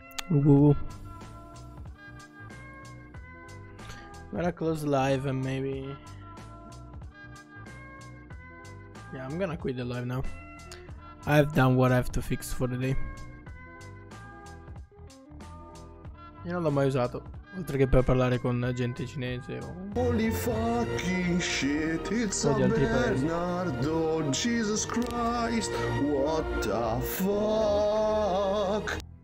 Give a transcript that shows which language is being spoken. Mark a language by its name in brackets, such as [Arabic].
[English] Woo. Gonna close live and maybe. Yeah, I'm gonna quit the live now. I've done what I have to fix for the day. [Italian] Io non l'ho mai usato. Oltre che per parlare con gente cinese o... [English] Holy fucking shit, it's a Bernardo, Jesus Christ, what the fuck?